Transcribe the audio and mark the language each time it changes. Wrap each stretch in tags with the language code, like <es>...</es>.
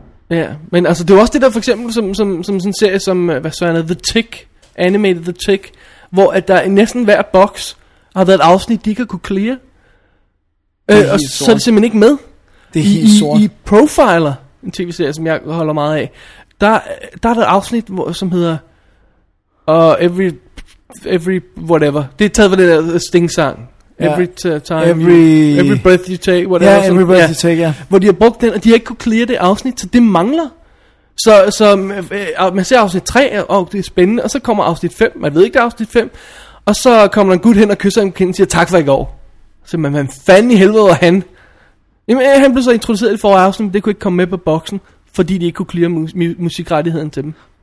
<da>Ja, men altså det er også det der for eksempel som sådan en serie som hvad så er det, The Tick, Animated The Tick, hvor at der næsten hver boks har været et afsnit, de ikke kunne clear. Og sort. Så er det simpelthen ikke med. Det er helt sort. I Profiler, en tv-serie som jeg holder meget af, der er der et afsnit hvor, som hedder Every whatever. Det er taget fra den der Sting-sang.</da> <en>Yeah. Every breath you take, whatever. Yeah, every breath you take, yeah.</en> <da>Hvor de har brugt den, og de har ikke kunne clear det afsnit, så det mangler. Så man ser afsnit 3, og det er spændende, og så kommer afsnit 5, man ved ikke, det er afsnit 5, og så kommer der en gut hen og kysser ham kendt og siger, tak for i går. Så man, hvad fanden i helvede var han? Jamen, han blev så introduceret i forrige afsnit, men det kunne ikke komme med på boksen, fordi de ikke kunne clear musikrettigheden til dem.</da>